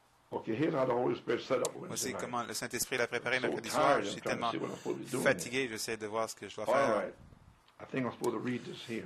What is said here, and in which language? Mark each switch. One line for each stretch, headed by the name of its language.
English: Okay, here's how the Holy Spirit set up Wednesday night.
French: Voici comment le Saint-Esprit l'a préparé mercredi soir. Je suis tellement fatigué, j'essaie de voir ce que je dois faire.
English: All right. I think I'm supposed to read this here.